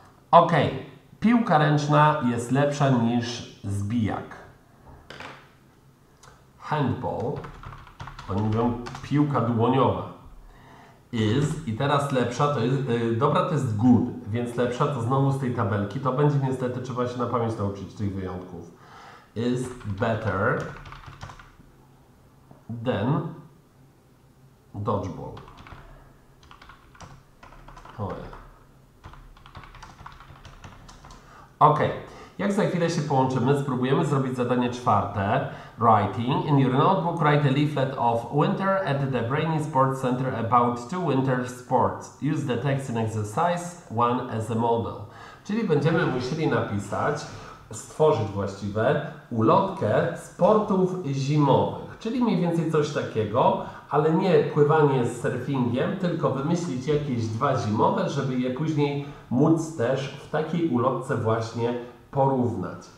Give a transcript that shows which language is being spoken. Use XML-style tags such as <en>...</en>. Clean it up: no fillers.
<pl>Ok, piłka ręczna jest lepsza niż zbijak. Handball, oni mówią piłka dłoniowa, is, i teraz lepsza to jest, dobra to jest good, więc lepsza to znowu z tej tabelki, to będzie niestety trzeba się na pamięć nauczyć tych wyjątków.</pl> <en>Is better than dodgeball.</en> <pl>Ok, jak za chwilę się połączymy, spróbujemy zrobić zadanie czwarte.</pl> <en>Writing. In your notebook, write a leaflet of winter at the Brainy Sports Center about two winter sports. Use the text in exercise one as a model.</en> <pl>Czyli będziemy musieli napisać, stworzyć właściwie, ulotkę sportów zimowych. Czyli mniej więcej coś takiego, ale nie pływanie z surfingiem, tylko wymyślić jakieś dwa zimowe, żeby je później móc też w takiej ulotce właśnie porównać.</pl>